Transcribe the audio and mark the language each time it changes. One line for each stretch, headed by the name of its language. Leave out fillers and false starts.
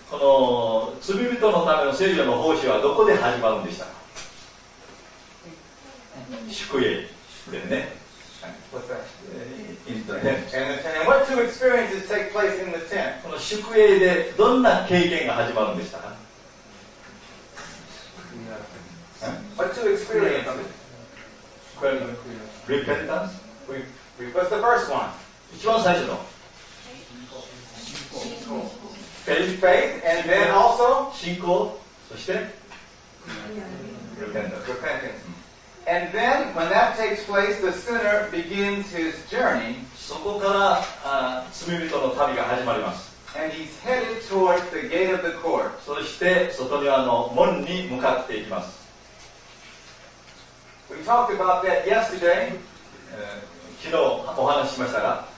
Japanese: この罪人のための聖書の奉仕はどこで始まるんでしたか。宿営でね。
English: And what two experiences take place in the tent?
Japanese: この宿営でどんな経験が始まるんでしたか。
English: What two experiences? Repentance. What's the first one?
Japanese: 一番最初の。
English: Faith, and then also
Japanese: 信仰、そして
English: repentance. And then when that takes place, the sinner begins his journey.
Japanese: そこから罪人の旅が始まります。
English: And he's headed towards the gate of the court.
Japanese: そして外庭の門に向かっていきます。
English: We talked about that yesterday.
Japanese: 昨日お話ししましたが、